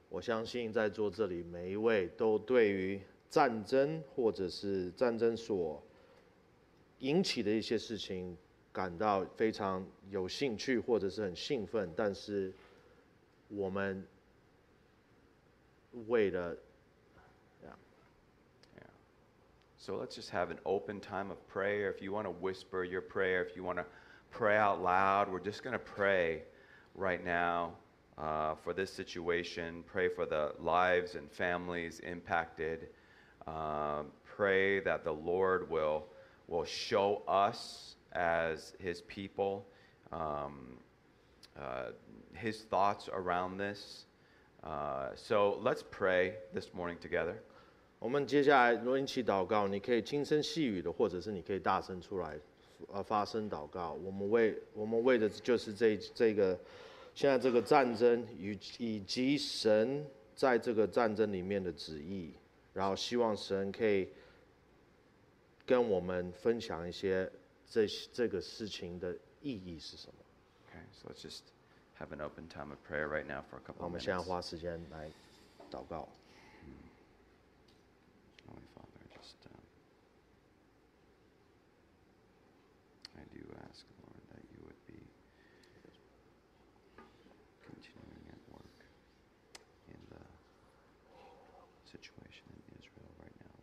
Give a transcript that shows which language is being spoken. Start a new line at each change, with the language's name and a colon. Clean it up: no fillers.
Chinese: 我相信在座这里每一位都对于战争或者是战争所引起的一些事情感到非常有兴趣或者是很兴奋，但是我们为了
English: So let's just have an open time of prayer. If you want to whisper your prayer, if you want to pray out loud, we're just going to pray right now for this situation. Pray for the lives and families impacted. Pray that the Lord will show us as His people His thoughts around this. So let's pray this morning together.
Chinese: 我们接下来，如果你起祷告，你可以轻声细语的，或者是你可以大声出来，发声祷告。我们为的就是这个现在这个战争以及神在这个战争里面的旨意，然后希望神可以跟我们分享一些这个事情的意义是什么。
English: Okay, so let's just have an open time of prayer right now for a couple of minutes.
Chinese: 我们现在花时间来祷告。
English: Holy Father, just I do ask, Lord, that you would be continuing at work in the situation in Israel right now.